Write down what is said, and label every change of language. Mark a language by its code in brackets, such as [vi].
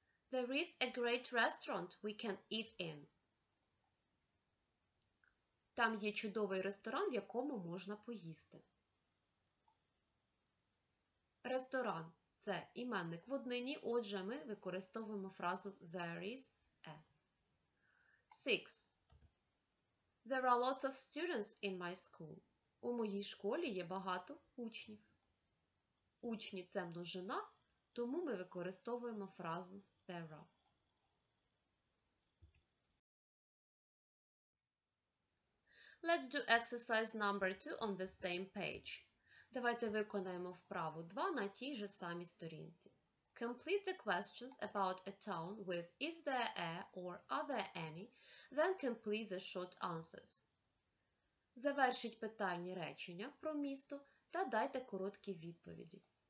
[en] There is a great restaurant we can eat in. [uk] Там є чудовий ресторан, в якому можна поїсти. Ресторан – це іменник в однині, отже ми використовуємо фразу [en] there is a. 6. There are lots of students in my school. [uk] У моїй школі є багато учнів. Учні – це множина, тому ми використовуємо фразу [en] there are. Let's do exercise number 2 on the same page. [uk] Давайте виконаємо вправу 2 на тій же самій сторінці. [en] Complete the questions about a town with is there a or are there any, then complete the short answers. [uk] Завершіть питальні речення про місто та дайте короткі відповіді.